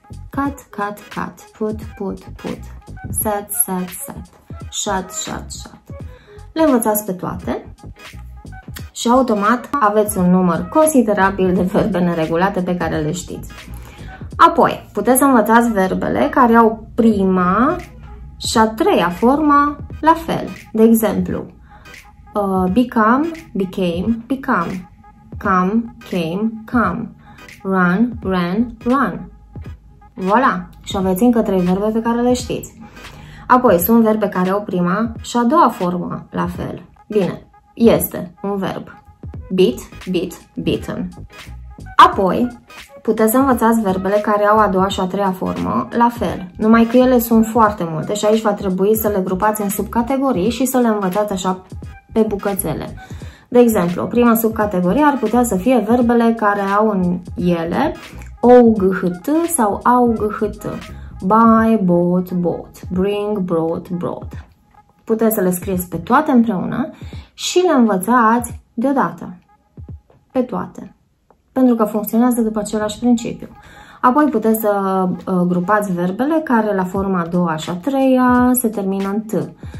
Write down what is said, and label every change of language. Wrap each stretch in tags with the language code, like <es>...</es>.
<en>Cut, cut, cut, put, put, put, set, set, set, shut, shut, shut.</en> <ro>Le învățați pe toate și automat aveți un număr considerabil de verbe neregulate pe care le știți. Apoi, puteți să învățați verbele care au prima și a treia forma la fel. De exemplu,</ro> <en>become, became, become, come, came, come, run, ran, run.</en> <ro>Voilà! Și aveți încă trei verbe pe care le știți. Apoi, sunt verbe care au prima și a doua formă la fel. Bine, este un verb.</ro> <en>Beat, beat, beaten.</en> <ro>Apoi, puteți să învățați verbele care au a doua și a treia formă la fel. Numai că ele sunt foarte multe și aici va trebui să le grupați în subcategorii și să le învățați așa pe bucățele. De exemplu, prima subcategorie ar putea să fie verbele care au în ele O-G-H-T sau A-U-G-H-T.</ro> <en>Buy, bought, bought, bring, brought, brought.</en> <ro>Puteți să le scrieți pe toate împreună și le învățați deodată. Pe toate. Pentru că funcționează după același principiu. Apoi puteți să grupați verbele care la forma a doua și a treia se termină în T.</ro>